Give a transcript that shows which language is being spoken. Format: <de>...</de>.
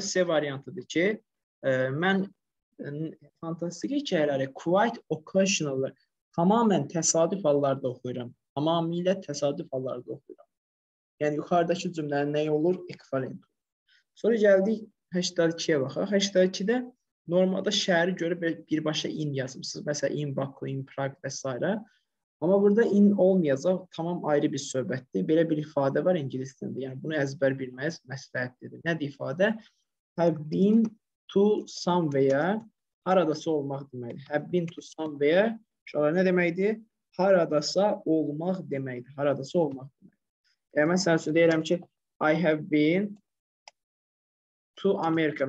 <az>C variantıdır ki, mən fantastik hekayələri</az> <en>quite occasionally,</en> <az>tamamen təsadüf hallarda oxuyuram. Tamamilə təsadüf hallarda oxuyuram. Yəni yuxarıdakı cümlənin nəyi olur? Equivalent. Sonra gəldik 82-yə baxaq. 82-də normalda şəhəri görüb birbaşa in yazmışsınız. Məsələn</az> <en>in Baku, in Prague</en> <az>və s. Amma burada in olmayacaq, tamam ayrı bir söhbətdir. Belə bir ifadə var ingilis dilində. Yəni bunu əzbər bilməyiniz məsləhətdir. Nədir ifadə?</az> <en>Have been to somewhere.</en> <az>Haradasa olmaq deməkdir.</az> <en>Have been to somewhere.</en> <az>Uşaqlar nə deməkdir? Haradasa olmaq deməkdir. Haradasa olmaq deməkdir. Yəni, mən sənə üçün deyirəm ki,</az> <en>I have been to America.</en>